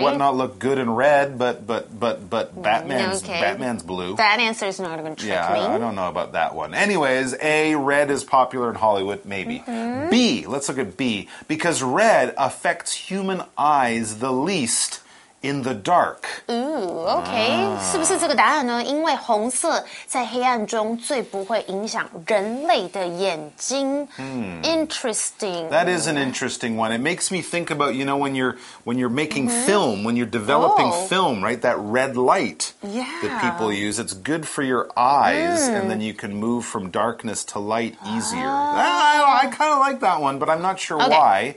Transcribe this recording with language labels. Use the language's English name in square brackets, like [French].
[English] whatnot look good in red, but Batman's,、okay. Batman's blue. That answer is not going to trick me. Yeah, I don't know about that one. Anyways, A, red is popular in Hollywood, maybe.、 Mm-hmm. B, let's look at B, because red affects human eyes the least. In the dark. Ooh, okay.、 Ah. [Chinese] 是不是这个答案呢？因为红色在黑暗中最不会影响人类的眼睛。 [English] Interesting. That is an interesting one. It makes me think about, you know, when you're making、mm-hmm. film, when you're developing、 oh. film, right? That red light、 yeah. that people use. It's good for your eyes,、mm. and then you can move from darkness to light easier.、 Ah. I kind of like that one, but I'm not sure、okay.